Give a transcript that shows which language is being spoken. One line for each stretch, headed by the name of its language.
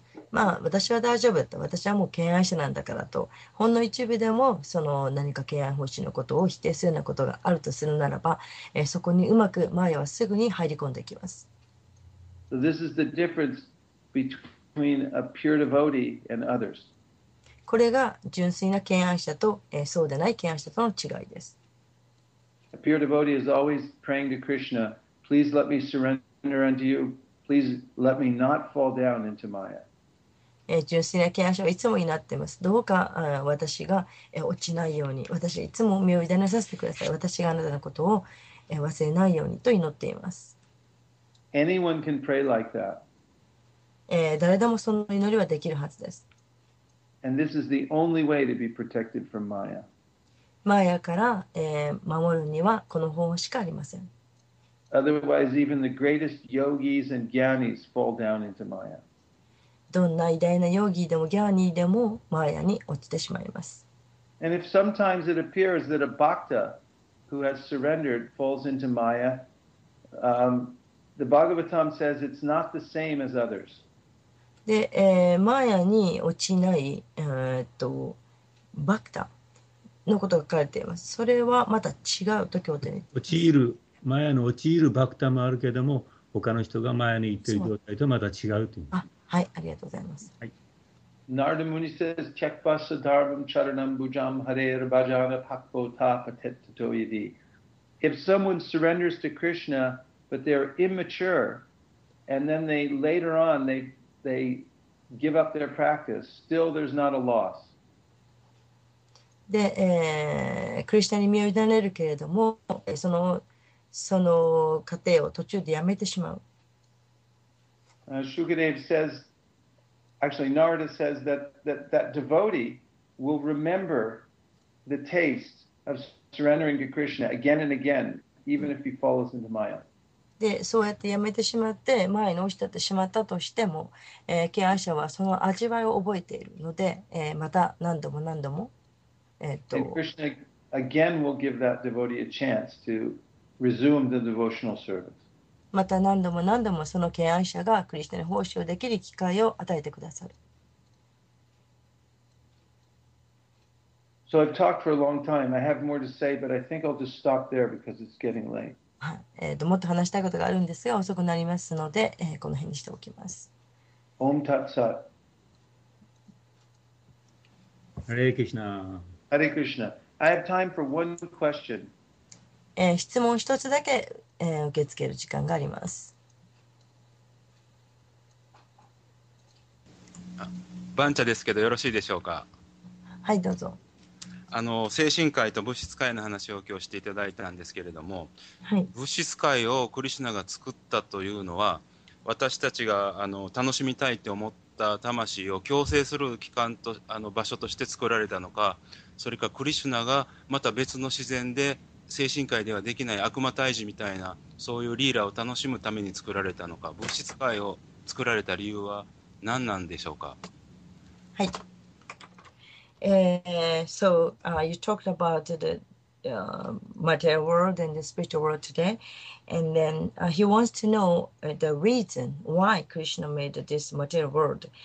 Japanese: まあ私は大丈夫だと、私はもう敬愛者なんだからと、ほんの一部でもその何か敬愛奉仕のことを否定するようなことがあるとするならば、そこにうまくマヤはすぐに入り込んできます。
English: So this is the difference between a pure devotee and others.
Japanese: これが純粋な敬愛者と、そうでない敬愛者との違いです。
English: A pure devotee is always praying to Krishna, please let me surrender unto you. Please let me not fall down into Maya.
Japanese: 純粋な敬愛者はいつも祈っています。どうか私が落ちないように、私はいつも身を委ねさせてください。私があなたのことを忘れないようにと祈っています。
English: Anyone can pray like that.
Japanese: 誰でもその祈りはできるはずです。
English: And this is the only way to be protected from Maya.
Japanese: マヤから守るにはこの方法しかありません。
English: Otherwise, even the greatest yogis and gyanis fall down into Maya.
Japanese: どんな偉大なヨギでもギャーニーでもマヤに落ちてしまいます。
English: And if sometimes it appears that a bhakta who has surrendered falls into Maya, the Bhagavatam says it's not the same as others.
Japanese: で、マヤに落ちない、バクタのことが書かれています。それはまた違うと経典に。落ちる。マヤの陥るバクタもあるけども、他の人が前に言っている状態とまた違うという。あ、はい、ありがとうございます。はい。
Sanskrit: Narada Muni says, Chakvasa Dharvam Charanam Bhujam Harer Bhajana Pakpo Tapa Tetto Yidi.
English: If someone surrenders to Krishna, but they're immature, and then they later on they give up their practice, still there's not a loss.
Japanese: で、クリシュナに身を委ねるけれども、その過程を途中でやめてしまう。
English: Shukadeva says, actually Narada says that devotee will remember the taste of surrendering to Krishna again and again, even if he falls into Maya.
Japanese: で、そうやってやめてしまって、前に落ちてしまったとしても、ケアシャはその味わいを覚えているので、また何度も何度も。
English: And Krishna again will give that devotee a chance to resume the devotional service.
Japanese: また何度も何度もその敬愛者がクリシュナに奉仕をできる機会を与えてくださる。
English: So I've talked for a long time. I have more to say, but I think I'll just stop there because it's getting late.
Japanese: もっと話したいことがあるんですが、遅くなりますので、この辺にしておきます。
Sanskrit: Om Tat Sat. Hare Krishna.
English: Hare Krishna. I have time for one question.
Japanese: 質問一つだけ、受け付ける時間があります。バンチャですけどよろしいでしょうか。はい、どうぞ。精神界と物質界の話を今日していただいたんですけれども、はい、物質界をクリシュナが作ったというのは私たちが楽しみたいと思った魂を強制する機関と場所として作られたのか、それかクリシュナがまた別の自然で精神界ではできない悪魔退治みたいなそういうリーラを楽しむために作られたのか、物質界を作られた理由は何なんでしょうか。
English: はい、So you talked about the material world and the spiritual world today, and then he wants to know the reason why Krishna made this material world.